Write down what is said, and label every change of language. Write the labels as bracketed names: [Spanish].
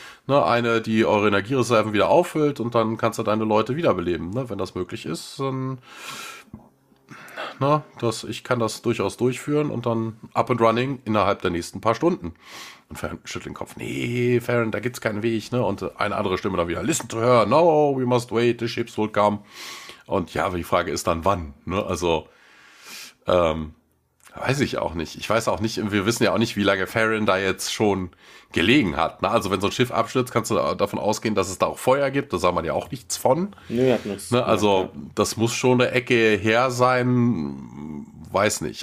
[German] Ne, eine, die eure Energiereserven wieder auffüllt und dann kannst du deine Leute wiederbeleben. Ne, wenn das möglich ist, dann ich kann das durchaus durchführen und dann [English] up and running [German] innerhalb der nächsten paar Stunden. Und Farren schüttelt den Kopf. Nee, Farren, da gibt's keinen Weg, ne? Und eine andere Stimme dann wieder. [English] Listen to her, no, we must wait, the ships will come. [German] Und ja, die Frage ist dann, wann, ne? Also, weiß ich auch nicht. Ich weiß auch nicht, wir wissen ja auch nicht, wie lange Farren da jetzt schon gelegen hat, ne? Also, wenn so ein Schiff abstürzt, kannst du davon ausgehen, dass es da auch Feuer gibt. Da sah man ja auch nichts von. Nee, hat nichts. Ne? Also, das muss schon eine Ecke her sein. Weiß nicht.